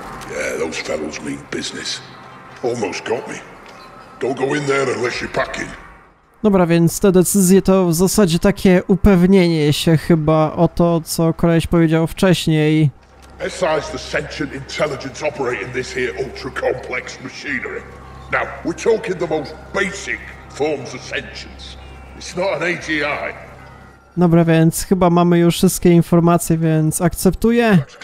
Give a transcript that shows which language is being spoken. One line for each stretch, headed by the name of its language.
English: Yeah, those fellows mean business. Almost got me. Don't go in there unless you're packing.
Polish: Dobra, więc te decyzje to w zasadzie takie upewnienie się chyba o to, co koleś powiedział wcześniej.
English: SI's the sentient intelligence operating this here ultra-complex machinery. Now, we're talking the most basic forms of sentience. It's not an AGI.
Polish: Dobra, więc chyba mamy już wszystkie informacje, więc akceptuję.